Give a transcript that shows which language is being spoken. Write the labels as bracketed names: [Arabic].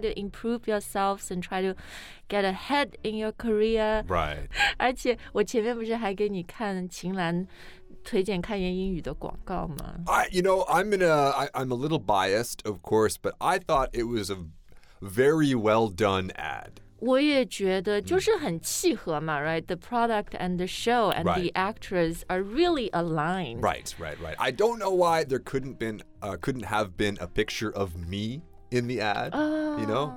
[English] try to improve yourselves and try to get ahead in your career. Right. [Chinese] 而且我前面不是还给你看秦岚推荐开源英语的广告吗 [English] I'm a little biased, of course, but I thought it was a very well done ad. [Chinese] 我也觉得就是很契合嘛、 [English] right? The product and the show and、 right. the actress are really aligned. Right, right, right. I don't know why there couldn't have been a picture of me in the ad,、you know?